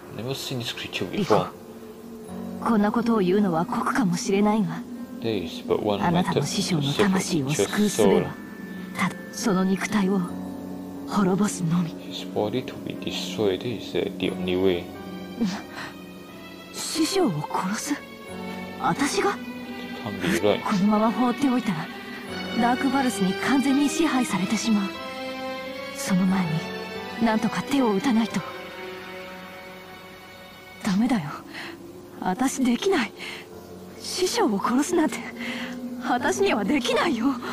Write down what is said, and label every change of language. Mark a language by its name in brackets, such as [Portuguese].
[Japanese] こんなことを言うのは酷かもしれないが、あなたの師匠の魂を救う術は、ただその肉体を滅ぼすのみ。 [English] His body to be destroyed is the only way. [Japanese] 師匠を殺す？私が？このまま放っておいたら、ダークバルスに完全に支配されてしまう。その前に、なんとか手を打たないと。ダメだよ。私できない。師匠を殺すなんて、私にはできないよ。